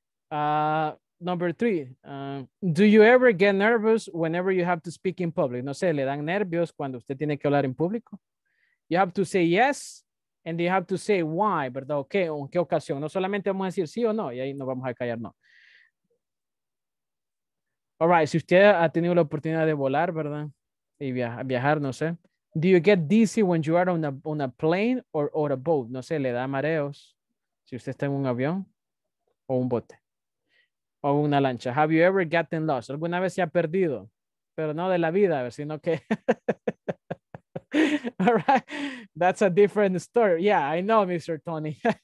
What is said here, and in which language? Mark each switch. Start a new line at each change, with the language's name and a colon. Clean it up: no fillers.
English: Number three, do you ever get nervous whenever you have to speak in public?
Spanish: No sé, ¿le dan nervios cuando usted tiene que hablar en público?
English: You have to say yes. And you have to say why,
Spanish: ¿verdad? Okay, ¿en qué ocasión? No solamente vamos a decir sí o no, y ahí nos vamos a callar, no. All right, si usted ha tenido la oportunidad de volar, ¿verdad? Y viajar, no sé.
English: Do you get dizzy when you are on a plane or a boat?
Spanish: No sé, ¿le da mareos si usted está en un avión o un bote o una lancha?
English: Have you ever gotten lost?
Spanish: ¿Alguna vez se ha perdido? Pero no de la vida, sino que...
English: All right, that's a different story. Yeah, I know, Mr. Tony.